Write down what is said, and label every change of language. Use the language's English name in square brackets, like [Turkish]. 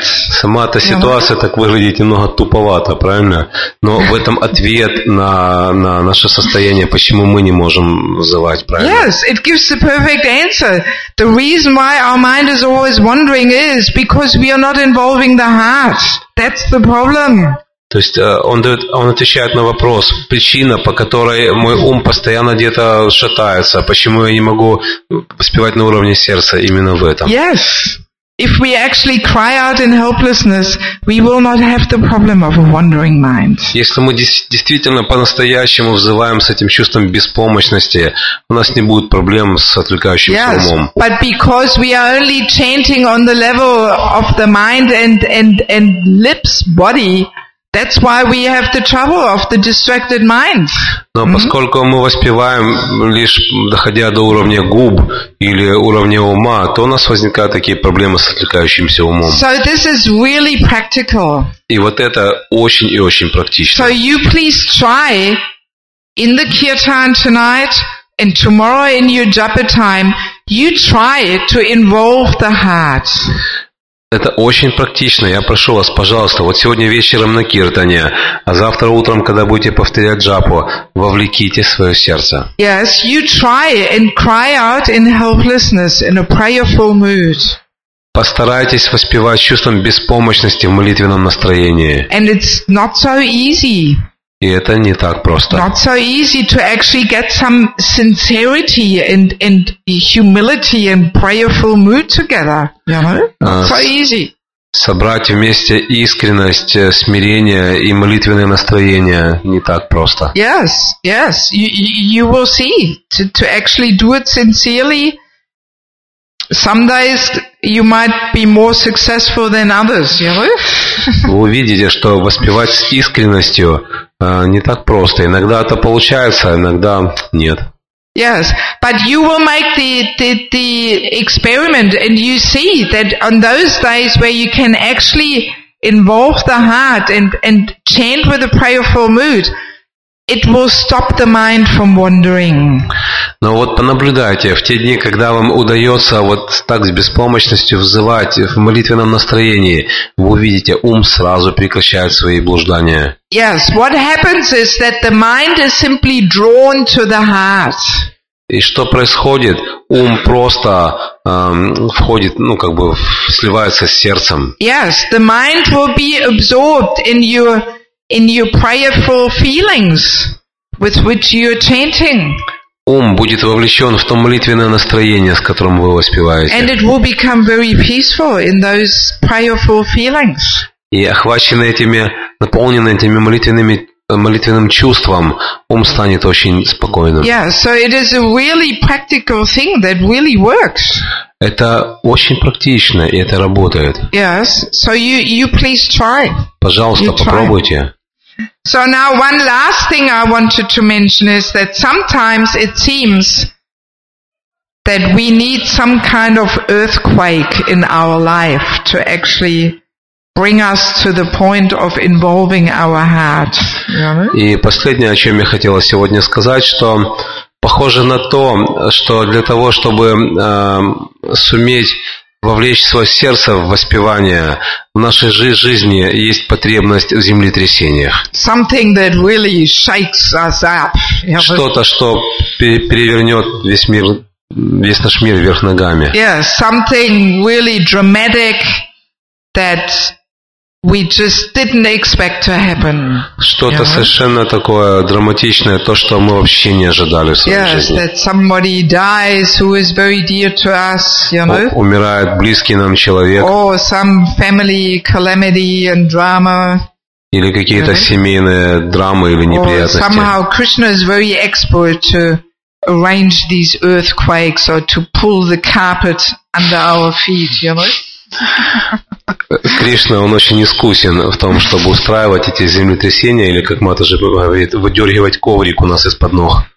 [Russian] Сама эта ситуация так выглядит немного туповато, правильно? Но в этом ответ на наше состояние, почему мы не можем взывать, правильно? [English] Yes, it gives the perfect answer. The reason why our mind is always wandering is because we are not involving the heart. That's the problem. [Russian] То есть он отвечает на вопрос, причина, по которой мой ум постоянно где-то шатается, почему я не могу поспевать на уровне сердца именно в этом. [English] Yes. If we actually cry out in helplessness, we will not have the problem of a wandering mind. [Russian] Если мы действительно по-настоящему взываем с этим чувством беспомощности, у нас не будет проблем с отвлекающимся умом. [English] Yes, but because we are only chanting on the level of the mind and lips, body, that's why we have the trouble of the distracted mind. [Russian] Но поскольку мы воспеваем лишь доходя до уровня губ или уровня ума, то у нас возникают такие проблемы с отвлекающимся умом. [English] So this is really practical. [Russian] И вот это очень и очень практично. [English] So you please try in the kirtan tonight and tomorrow in your japa time, you try to involve the heart. [Russian] Это очень практично. Я прошу вас, пожалуйста, вот сегодня вечером на киртане, а завтра утром, когда будете повторять джапу, вовлеките свое сердце. [English] Yes, you try and cry out in helplessness, in a prayerful mood. [Russian] Постарайтесь воспевать чувством беспомощности в молитвенном настроении. [English] And it's not so easy. [Russian] И это не так просто. [English] Not so easy to actually get some sincerity and humility and prayerful mood together, you know? Not so easy. [Russian] Собрать вместе искренность, смирение и молитвенное настроение не так просто. [English] Yes, yes. You will see to actually do it sincerely. Some days you might be more successful than others, you know? [Russian] Вы увидите, что воспевать с искренностью не так просто. Иногда это получается, иногда нет. [English] Yes, but you will make the experiment and you see that on those days where you can actually involve the heart and chant with a prayerful mood, it will stop the mind from wandering. [Russian] Но вот понаблюдайте, в те дни, когда вам удается вот так с беспомощностью взывать в молитвенном настроении, вы увидите, ум сразу прекращает свои блуждания. [English] Yes, what happens is that the mind is simply drawn to the heart. [Russian] И что происходит? Ум просто входит, ну как бы сливается с сердцем. [English] Yes, the mind will be absorbed in your prayerful feelings with which you are chanting. [Russian] Ум будет вовлечен в то молитвенное настроение, с которым вы воспеваете. [English] And it will become very peaceful in those prayerful feelings. [Russian] И охваченный этими, наполненный этими молитвенным чувством, ум станет очень спокойным. [English] Yeah, so it is a really practical thing that really works. [Russian] Это очень практично, и это работает. [English] Yes, so you please try. [Russian] Пожалуйста, [English] you [Russian] попробуйте. [English] So now one last thing I wanted to mention is that sometimes it seems that we need some kind of earthquake in our life to actually bring us to the point of involving our heart. [Russian] И последнее, о чем я хотела сегодня сказать, что похоже на то, что для того, чтобы суметь вовлечь свое сердце в воспевание, в нашей жизни есть потребность в землетрясениях. [English] Something that really shakes us up. [Russian] Что-то, что перевернет весь мир, весь наш мир вверх ногами. [English] Yeah, something really dramatic that we just didn't expect to happen. [Russian] Что-то совершенно такое драматичное, то, что мы вообще не ожидали в своей жизни. [English] That somebody dies who is very dear to us, you know. [Russian] Умирает близкий нам человек. [English] Or some family calamity and drama. [Russian] Или какие-то семейные драмы или неприятности. [English] Or somehow Krishna is very expert to arrange these earthquakes or to pull the carpet under our feet, you know? [Russian] Кришна, он очень искусен в том, чтобы устраивать эти землетрясения или, как Матаджи говорит, выдергивать коврик у нас из-под ног.